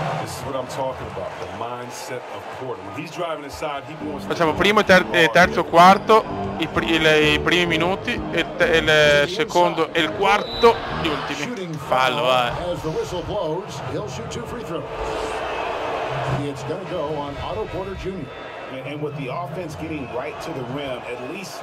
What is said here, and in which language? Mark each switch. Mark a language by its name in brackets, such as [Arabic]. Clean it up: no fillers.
[English] This is what I'm talking about, the mindset of Porter. When he's driving inside, he wants. [Italian] Facciamo primo e terzo quarto, i primi minuti e il secondo e il quarto, gli ultimi. Fallo, vai. [English] As the whistle blows, he'll shoot 2 free throws. It's gonna go on Otto Porter Jr. And with the offense getting right to the rim, at least.